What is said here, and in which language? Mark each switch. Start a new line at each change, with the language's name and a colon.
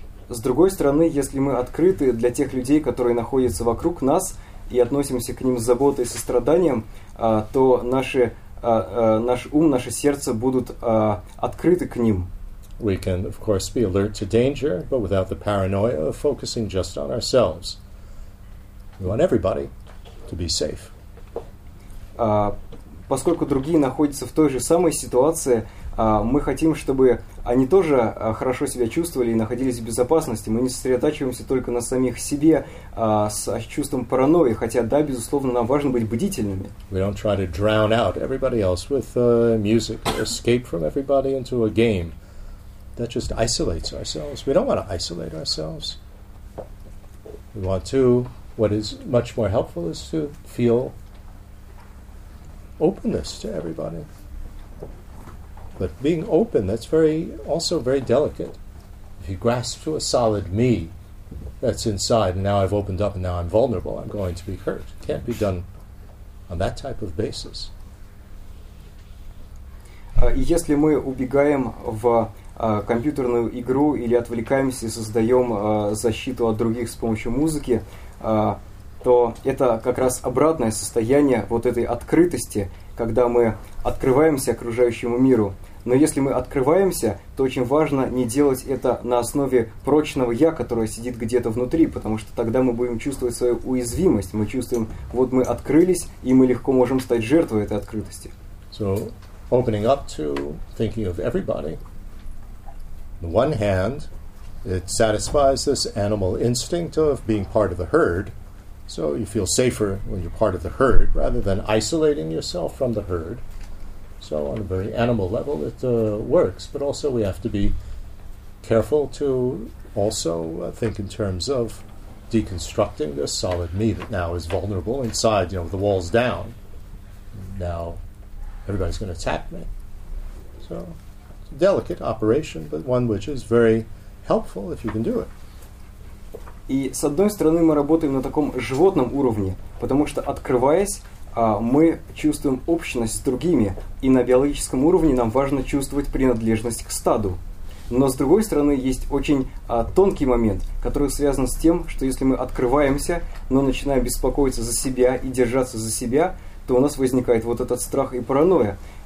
Russian: С другой стороны, если мы открыты для тех людей, которые находятся вокруг нас, и относимся к ним с заботой и состраданием, то наш ум, наше сердце будут открыты к ним.
English: We can, of course, be alert to danger, but without the paranoia of focusing just on ourselves. We want everybody to be safe.
Russian: Поскольку другие находятся в той же самой ситуации, мы хотим, чтобы они тоже хорошо себя чувствовали и находились в безопасности. Мы не сосредотачиваемся только на самих себе с чувством паранойи, хотя, да, безусловно, нам важно быть бдительными.
English: We don't try to drown out everybody else with music or escape from everybody into a game. That just isolates ourselves. We don't want to isolate ourselves. We want to, what is much more helpful is to feel openness to everybody. But being open, that's also very delicate. If you grasp to a solid me that's inside, and now I've opened up and now I'm vulnerable, I'm going to be hurt. It can't be done on that type of basis.
Russian: Если мы убегаем в компьютерную игру или отвлекаемся и создаем защиту от других с помощью музыки, то это как раз обратное состояние вот этой открытости, когда мы открываемся окружающему миру. Но если мы открываемся, то очень важно не делать это на основе прочного «я», которое сидит где-то внутри, потому что тогда мы будем чувствовать свою уязвимость. Мы чувствуем, вот мы открылись, и мы легко можем стать жертвой этой открытости.
English: So opening up to thinking of everybody, on the one hand, it satisfies this animal instinct of being part of the herd, so you feel safer when you're part of the herd rather than isolating yourself from the herd. So on a very animal level, it works, but also we have to be careful to also think in terms of deconstructing this solid me that now is vulnerable inside, you know, the walls down. Now everybody's going to attack me. So it's a delicate operation, but one which is very helpful if you can do it.
Russian: И с одной стороны мы работаем на таком животном уровне, потому что открываясь, мы чувствуем общность с другими, и на биологическом уровне нам важно чувствовать принадлежность к стаду. Но с другой стороны есть очень тонкий момент, который связан с тем, что если мы открываемся, но начинаем беспокоиться за себя и держаться за себя, то у нас возникает вот этот страх и паранойя.